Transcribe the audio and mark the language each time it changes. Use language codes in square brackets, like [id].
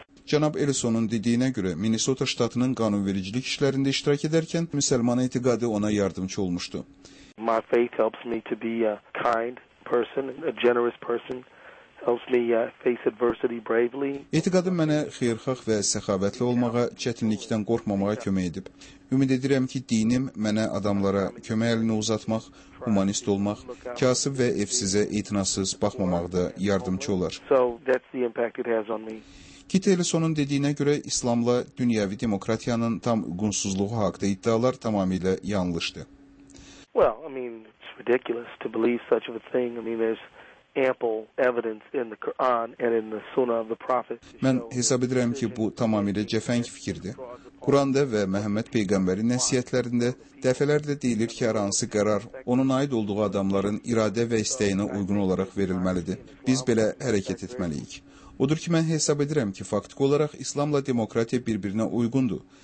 [az] Cənab Ellisonun dediyinə görə Minnesota ştatının qanunvericilik işlərində iştirak edərkən müsəlman etiqadı ona yardımçı olmuşdu. [en] My faith helps me to be a kind person, a generous person. Helps me face adversity bravely. [az] Etiqadım mənə xeyirxah və səxavətli olmağa, çətinlikdən qorxmamağa kömək edib. Ümid edirəm ki, dinim mənə adamlara kömək əlini uzatmaq, humanist olmaq, kasıb və evsizə etinasız baxmamaqda yardımçı olar. [en] So that's the impact it has on me. [az] Kit Ellisonun dediyinə görə İslamla dünyəvi demokratiyanın tam uyğunsuzluğu haqqında iddialar tamamilə yanlışdır. [en] Well, I mean, it's ridiculous to believe such of a thing. I mean, there's ample evidence in the Quran and in the Sunnah of the Prophet. [az] Mən hesab edirəm ki, bu tamamilə cəfəng fikirdir. Quranda və Məhəmməd peyğəmbərin nəsihətlərində dəfələrlə deyilir ki, hər hansı qərar onun aid olduğu adamların iradə və istəyinə uyğun olaraq verilməlidir. Biz belə hərəkət etməliyik. Odur ki, mən hesab edirəm ki, faktik olaraq İslamla demokratiya bir-birinə uyğundur.